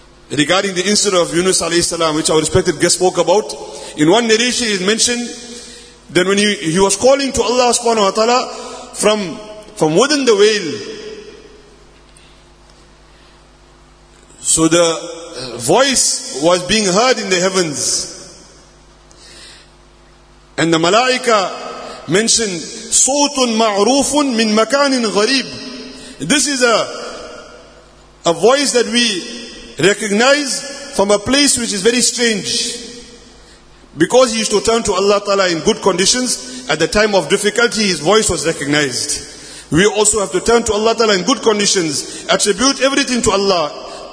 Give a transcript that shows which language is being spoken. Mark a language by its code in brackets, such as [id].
[en] Regarding the incident of Yunus alayhi salam, which our respected guest spoke about, in one narration it mentioned, that when he was calling to Allah subhanahu wa ta'ala from within the whale. So the voice was being heard in the heavens. And the malaika mentioned, [ar] صوتٌ مَعْرُوفٌ مِّن مَكَانٍ غَرِيبٍ. [en] This is a voice that we recognize from a place which is very strange. Because he used to turn to Allah Ta'ala in good conditions, at the time of difficulty, his voice was recognized. We also have to turn to Allah Ta'ala in good conditions, attribute everything to Allah.